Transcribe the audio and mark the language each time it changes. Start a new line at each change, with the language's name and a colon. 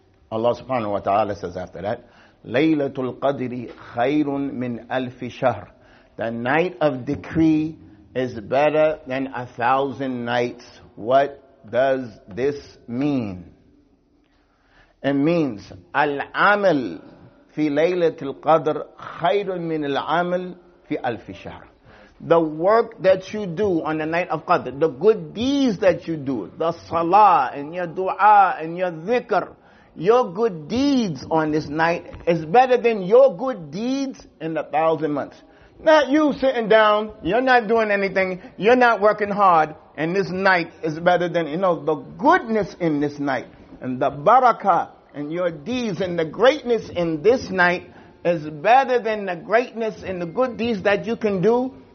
English: Allah subhanahu wa ta'ala says after that,
Arabic: Laylatul Qadri khayrun min alfi shahr.
English: The night of decree is better than 1,000 nights. What does this mean? It means, Al-amal
Arabic: في ليلة القدر خير من العمل في ألف شهر.
English: The work that you do on the night of Qadr, the good deeds that you do, the salah and your dua and your dhikr, your good deeds on this night is better than your good deeds in 1,000 months. Not you sitting down, you're not doing anything, you're not working hard, and this night is better than, you know, the goodness in this night and the barakah and your deeds and the greatness in this night is better than the greatness and the good deeds that you can do.